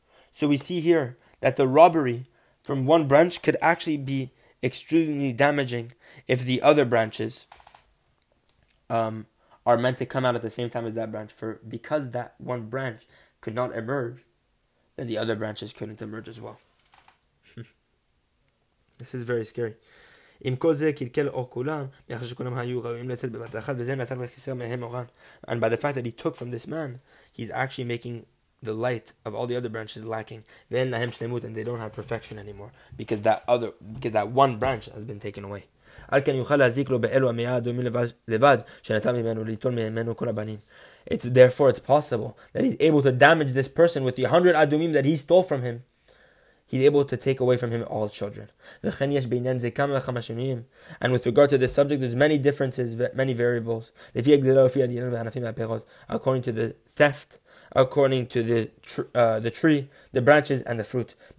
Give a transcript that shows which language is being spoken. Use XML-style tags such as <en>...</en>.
<en>So we see here that the robbery from one branch could actually be extremely damaging if the other branches are meant to come out at the same time as that branch. For because that one branch could not emerge, then the other branches couldn't emerge as well. This is very scary.</en> <he>אם כל זה קלקל אור כולם, מאחר שכולם היו ראויים לצאת בבת אחת, וזה נתן וחיסר מהם אורן.</he> <en>And by the fact that he took from this man, he's actually making the light of all the other branches lacking.</en> <he>ואין להם שלמות,</he> <en>and they don't have perfection anymore, because that one branch has been taken away.</en> <he>על כן יוכל להזיק לו באלו המאה אדומים לבד, שנתן ממנו ליטול ממנו כל הבנים.</he> <en>It's therefore it's possible that he's able to damage this person with the 100 adumim that he stole from him. He's able to take away from him all his children. And with regard to this subject, there's many differences, many variables. According to the theft, according to the tree, the branches, and the fruit.</en>